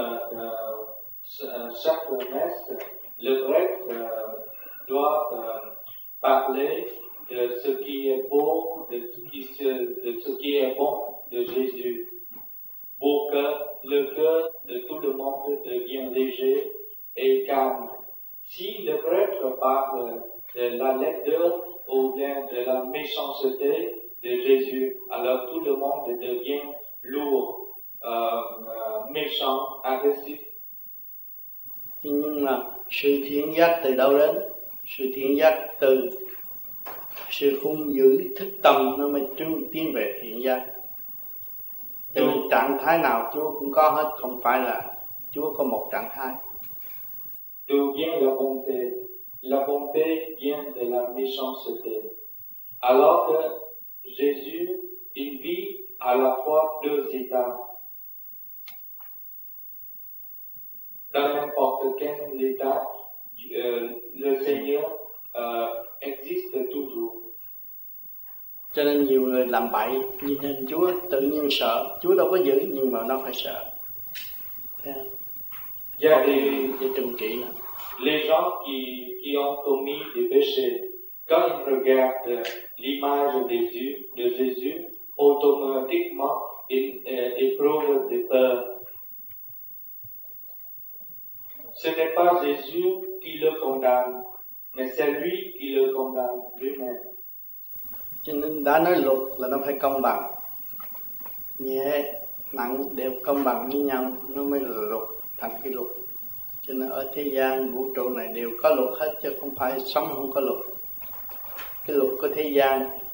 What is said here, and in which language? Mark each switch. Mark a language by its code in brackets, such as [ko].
[fr] Comme chaque messe, le prêtre doit parler de ce qui est beau, de ce qui est bon de Jésus, pour que le cœur de tout le monde devient léger et calme. Si le prêtre parle de la laideur ou bien de la méchanceté de Jésus, alors tout le monde devient lourd, méchant, agressif. [vi] Nhưng mà sự thiện giác từ đâu đến? Sự thiện giác từ sự hung dữ thức tâm nó mới tiến về thiện giác. Thì trạng thái nào Chúa cũng có hết, không phải là Chúa có một trạng thái. [fr] D'où vient la bonté? La bonté vient de la méchanceté. Alors que Jésus, il vit à la fois deux états. Dans n'importe quel état, le Seigneur existe toujours. [vi] Cho nên nhiều người làm bậy, nhìn hình Chúa tự nhiên sợ, Chúa đâu có giữ nhưng mà nó phải sợ. Thế không? Yeah, để trừng trị nó. [fr] Les gens qui ont commis des péchés, quand ils regardent l'image de Jésus, automatiquement ils éprouvent des peurs. Ce n'est pas Jésus qui le condamne, mais c'est lui qui le condamne lui-même. [vi] Cho nên đã nói luật là nó phải công bằng, nhẹ nặng đều công bằng với nhau, nó mới là luật, thành cái luật. Cho nên ở thế gian vũ trụ này đều có luật hết, chứ không phải sống không có luật. Cái luật của thế gian